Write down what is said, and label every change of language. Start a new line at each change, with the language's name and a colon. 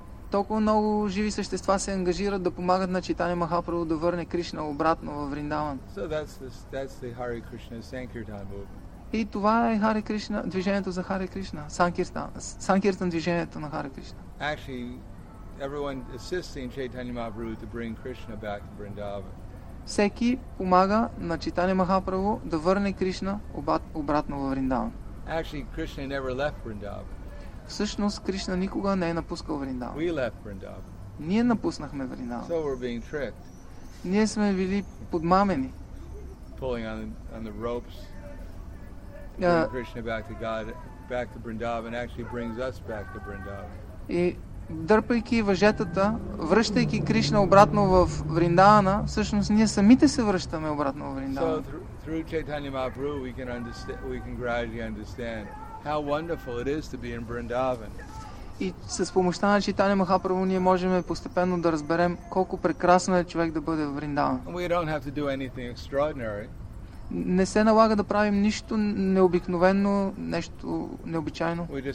Bulgarian: Толкова много живи същества се ангажират да помагат на Чайтанья Махапрабху да върне Кришна обратно във Вриндаван.
English: So that's the Hare Krishna Sankirtan movement.
Bulgarian: И това е Hare Krishna, движението за Hare Krishna, Sankirtan движението на Hare Krishna.
English: Actually, everyone assisting Chaitanya Mahaprabhu to bring Krishna back to Vrindavan.
Bulgarian: Всеки помага на Чайтанья Махапрабху да върне Кришна обратно във Вриндаван.
English: Actually, Krishna never left Vrindavan.
Bulgarian: Всъщност Кришна никога не е напускал Вриндаван.
English: We left Vrindavan.
Bulgarian: Ние напуснахме Вриндаван.
English: So we're being tricked.
Bulgarian: Ние сме били подмамени.
English: Pulling on the ropes. Krishna back to God, back to Vrindavan, actually brings us back to Vrindavan.
Bulgarian: И дърпайки въжетата, връщайки Кришна обратно в Вриндавана, всъщност ние самите се връщаме обратно в Вриндаван.
English: So through Chaitanya Mahaprabhu we can gradually understand how wonderful it is to be in Vrindavan.
Bulgarian: И с помощта на Чайтанья Махапрабху ние можем постепенно да разберем колко прекрасно е човек да бъде в Вриндаван.
English: We don't have to do anything extraordinary.
Bulgarian: не се налага да правим нищо необикновено, нещо необичайно.